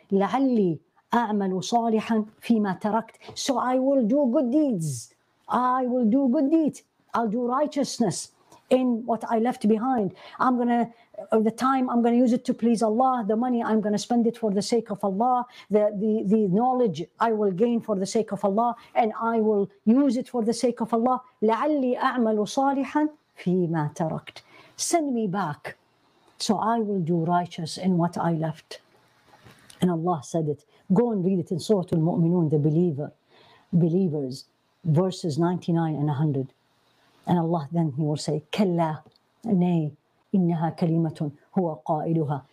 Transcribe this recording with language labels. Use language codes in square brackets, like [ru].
[ar] لعلي أعمل صالحا فيما تركت. [en] So I will do good deeds. I will do good deeds. I'll do righteousness in what I left behind. I'm going to, the time I'm going to use it to please Allah, the money I'm going to spend it for the sake of Allah, the knowledge I will gain for the sake of Allah, and I will use it for the sake of Allah. [ar] لعلي أعمل صالحا فيما تركت. [en] Send me back. So I will do righteous in what I left. And Allah said it. Go and read it in Surah Al-Mu'minun, the believers, verses 99 and 100. And Allah then he will say, Kalla, nay, [ar] innaha kalimatun huwa qailuha.